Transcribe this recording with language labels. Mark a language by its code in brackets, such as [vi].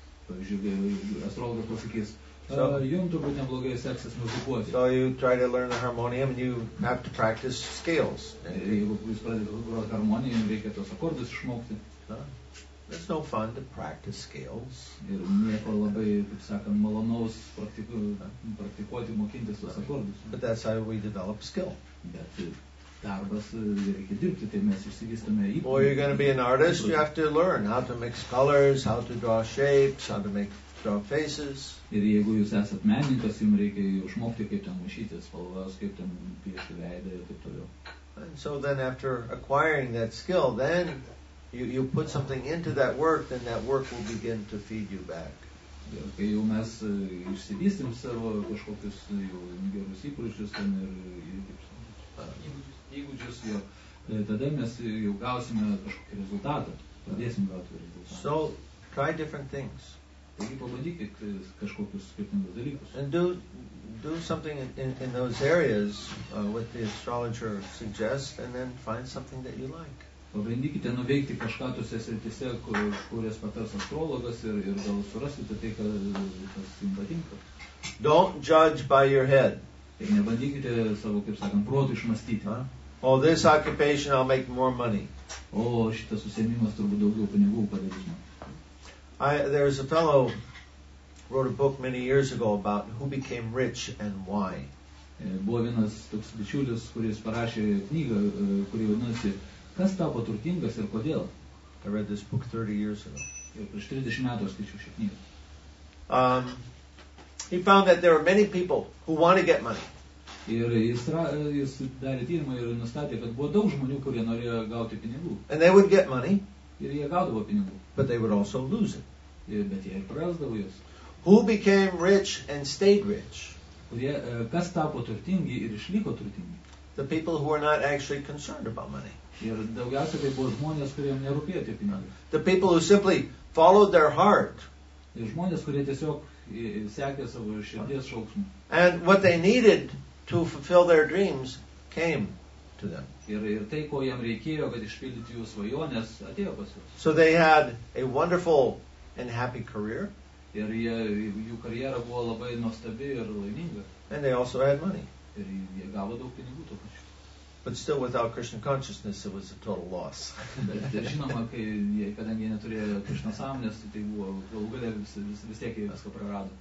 [lt] Pavyzdžiui, astrologas pasakys, jum turbūt neblogai seksis muzikuoti. [en] So you try to learn the harmonium and you have to practice scales. [lt] Jeigu jūs pradėtų groti harmoniją, jums reikia tos akordus išmokti. [en] It's no fun to practice scales. [lt] Ir nieko labai, kaip sakant, malonaus praktikuoti, mokintis tos akordus. [en] But that's how we develop skill. [lt] Bet darbas reikia dirbti, tai mes išsivystome į... [en] Or you're going to be an artist, you have to learn how to mix colors, how to draw shapes, how to draw faces. [lt] Ir jeigu jūs esat menininkas, jums reikia išmokti, kaip ten mašyti spalvas, kaip ten piešti veidą ir taip toliau. [en] And so then after acquiring that skill, then... You put something into that work, then that work will begin to feed you back. [lt] Kai jau mes išsivystim savo kažkokius gerus įpročius ir įgūdžius, tada mes jau gausime kažkokį rezultatą, pradėsim gauti rezultatą. [en] So, try different things. [lt] Taigi pabandykit kažkokius skirtingus dalykus. [en] And do something in those areas what the astrologer suggests, and then find something that you like. [lt] Pabandykite nuveikti kažką tose srityse, kurias patars astrologas ir gal surasite tai, kas jums patinka. [en] Don't judge by your head. [lt] Ir nebandykite savo, kaip sakant, protu išmastyti. [en] Oh, this occupation I'll make more money. [lt] O, šitas užsiėmimas turbūt daugiau pinigų padarys. [en] There is a fellow wrote a book many years ago about who became rich and why. [lt] Buvo vienas toks bičiulis, kuris parašė knygą, kuri vadinasi Kas tapo turtingas ir kodėl? [en] I read this book 30 years ago. [lt] Ir prieš 30 metų skaičiau šią knygą. [en] He found that there are many people who want to get money. [lt] Ir jis darė tyrimą ir nustatė, kad buvo daug žmonių, kurie norėjo gauti pinigų. [en] And they would get money. [lt] Ir jie gaudavo pinigų. [en] But they would also lose it. [lt] Bet jie ir prarasdavo juos. [en] Who became rich and stayed rich? [lt] Kas tapo turtingi ir išliko turtingi? [en] The people who are not actually concerned about money. [lt] Ir daugiausia tai buvo žmonės, kuriem nerūpėjo tie pinigai. [en] The people who simply followed their heart. [lt] Ir žmonės, kurie tiesiog sekė savo širdies šauksmu. [en] And what they needed to fulfill their dreams came to them. [lt] Ir tai, ko jam reikėjo, kad išpildyti jų svajonės, atėjo pas juos. [en] So they had a wonderful and happy career. [lt] Ir jų karjera buvo labai nuostabi ir laiminga. [en] And they also had money. [lt] Ir jie gavo daug pinigų to pačiu. [en] But still without Krishna consciousness it was a total loss. [lt] Bet žinoma, kadangi jie neturėjo Krishna sąmonės, tai buvo galų gale vis tiek jie viską prarado.